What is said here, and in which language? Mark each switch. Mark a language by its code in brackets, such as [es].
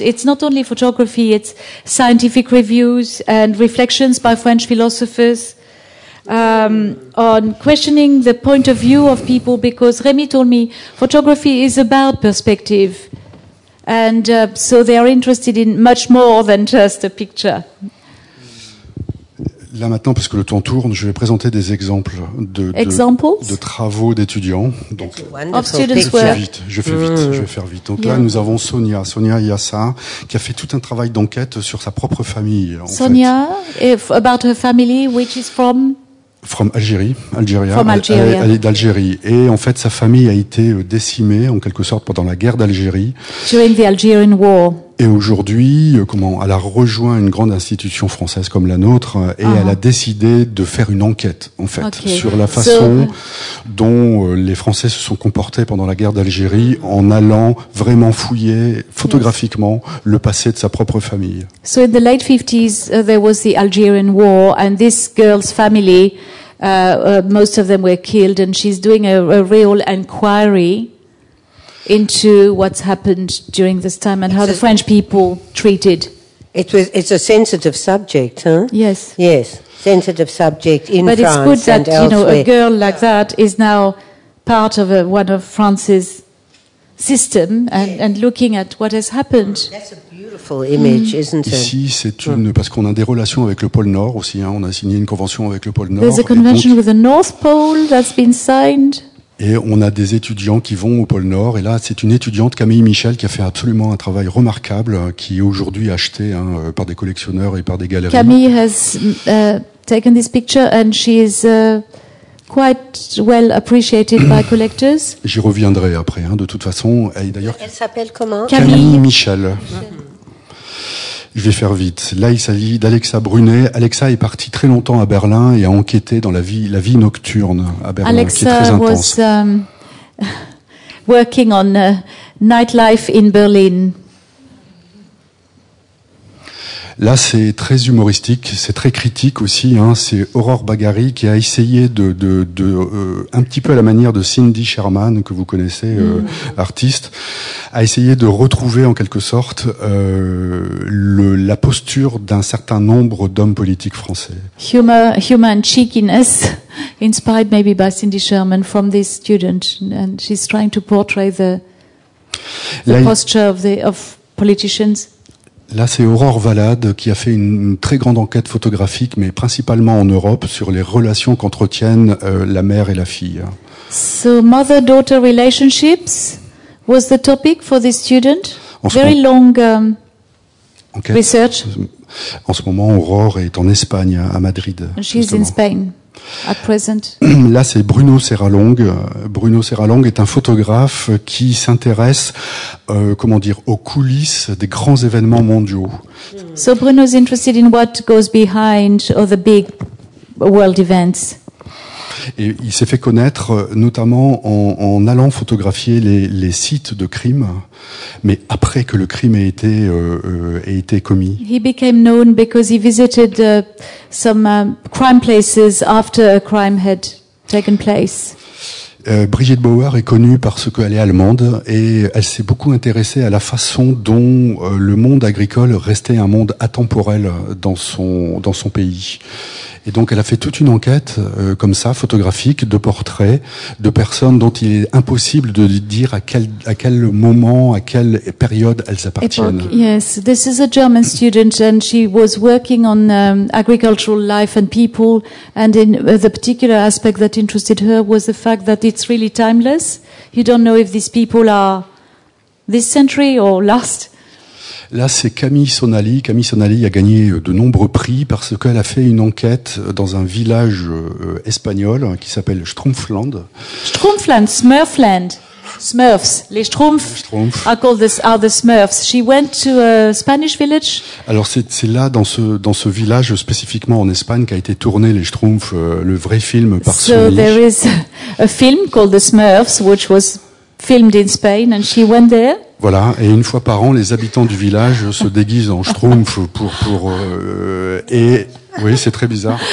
[en] It's not only photography; it's scientific reviews and reflections by French philosophers on questioning the point of view of people. Because Rémy told me photography is about perspective. And so they are interested in much more than just a picture. [fr] Là maintenant, parce que le temps tourne, je vais présenter des exemples de travaux d'étudiants. Donc, je vais faire vite. Donc là, nous avons Sonia Yassa, qui a fait tout un travail d'enquête sur sa propre famille. [en] About her family, which is from. From Algérie, Algérie. From Algeria. [fr] Elle est d'Algérie. Et en fait, sa famille a été décimée, en quelque sorte, pendant la guerre d'Algérie. [en] During the Algerian War. [fr] Et aujourd'hui, elle a rejoint une grande institution française comme la nôtre, et elle a décidé de faire une enquête, en fait, sur la façon dont les Français se sont comportés pendant la guerre d'Algérie, en allant vraiment fouiller photographiquement le passé de sa propre famille. [en] So in the late 50s, there was the Algerian War, and this girl's family, most of them were killed, and she's doing a real inquiry into what's happened during this time and how the French people treated. It's a sensitive subject, huh? Yes. Yes, sensitive subject in and elsewhere. But it's good that, you know, a girl like that is now part of one of France's system and looking at what has happened. Image, isn't it? [fr] Ici, c'est une parce qu'on a des relations avec le pôle Nord aussi. Hein, on a signé une convention avec le pôle Nord. [en] There's a convention with the North Pole that's been signed. [fr] Et on a des étudiants qui vont au pôle Nord. Et là, c'est une étudiante, Camille Michel, qui a fait absolument un travail remarquable, qui est aujourd'hui achetée par des collectionneurs et par des galeries. [en] Camille has taken this picture and she is quite well appreciated by collectors. [fr] J'y reviendrai après. Hein, de toute façon, d'ailleurs. Elle s'appelle comment? Camille Michel. Je vais faire vite. Là, il s'agit d'Alexa Brunet. Alexa est partie très longtemps à Berlin et a enquêté dans la vie nocturne à Berlin, Alexa, qui est très intense. [en] Alexa was working on nightlife in Berlin. [fr] Là, c'est très humoristique, c'est très critique aussi. Hein. C'est Aurore Bagary qui a essayé de un petit peu à la manière de Cindy Sherman, que vous connaissez, artiste, a essayé de retrouver en quelque sorte la posture d'un certain nombre d'hommes politiques français. [en] Human cheekiness, inspired maybe by Cindy Sherman from this student, and she's trying to portray the posture of politicians. [fr] Là, c'est Aurore Valade qui a fait une très grande enquête photographique, mais principalement en Europe, sur les relations qu'entretiennent la mère et la fille. [en] So mother-daughter relationships was the topic for this student. [fr] Enquête. [en] Research. [fr] En ce moment, Aurore est en Espagne, à Madrid. [en] And she's [fr] justement. [en] In Spain. At present. [fr] Là, c'est Bruno Serralong. Bruno Serralong est un photographe qui s'intéresse, aux coulisses des grands événements mondiaux. [en] So Bruno's interested in what goes behind all the big world events. [fr] Et il s'est fait connaître notamment en allant photographier les sites de crimes, mais après que le crime ait été commis. [en] He became known because he visited crime places after a crime had taken place. [fr] Brigitte Bauer est connue parce qu'elle est allemande et elle s'est beaucoup intéressée à la façon dont le monde agricole restait un monde atemporel dans son pays. Et donc elle a fait toute une enquête comme ça, photographique, de portraits de personnes dont il est impossible de dire à quel moment, à quelle période elles appartiennent. [en] Epoch. Yes, this is a German student and she was working on agricultural life and people, and in the particular aspect that interested her was the fact that it's really timeless. You don't know if these people are this century or last. [fr] Là, c'est Camille Sonali. Camille Sonali a gagné de nombreux prix parce qu'elle a fait une enquête dans un village espagnol qui s'appelle Strumpfland. [en] Strumpfland, Smurfland. Smurfs. Les Strumpfs are the Smurfs. She went to a Spanish village. [fr] Alors, c'est là, dans ce village spécifiquement en Espagne, qu'a été tourné Les Strumpfs, le vrai film par Sonali. [en] So there is a film called The Smurfs, which was filmed in Spain, and she went there. [fr] Voilà, et une fois par an, les habitants du village se déguisent en schtroumpf pour et oui, c'est très bizarre.